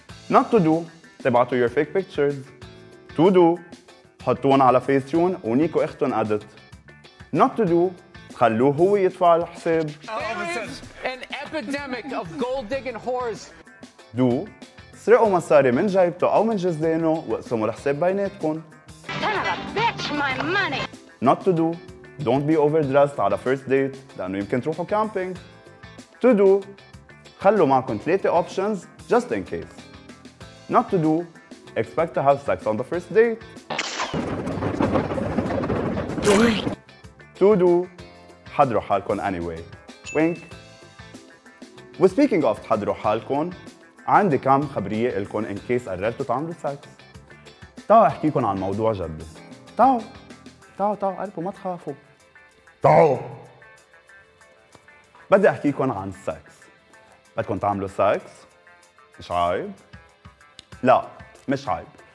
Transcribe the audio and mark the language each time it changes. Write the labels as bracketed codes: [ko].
[en] Not to do [ar] تبعتوا [en] your fake pictures. To do [ar] حطوهن على فيستيون ونيكو اختهن ادت. [en] Not to do [ar] خلوه هو يدفع الحساب. [en] An epidemic of gold digging whores. Do [ar] سرقوا مصاري من جيبته او من جزدانه واقسموا الحساب بيناتكم. [en] My money. Not to do, don't be overdressed [ar] على [en] first date [ar] لأنه يمكن تروحوا [en] camping. To do, [ar] خلوا معكم [en] 3 options just in case. Not to do, expect to have sex on the first date. To do, [ar] حضروا حالكم [en] anyway. Wink. [ar] و [en] speaking of [ar] تحضروا حالكم, عندي كم خبرية لكم [en] in case [ar] قررتوا تعملوا sex. تعالوا أحكيكم عن موضوع جد. تعالوا قلبوا ما تخافوا. تعالوا بدي احكيكم عن السكس. بدكم تعملوا سكس؟ مش عيب؟ لا مش عيب.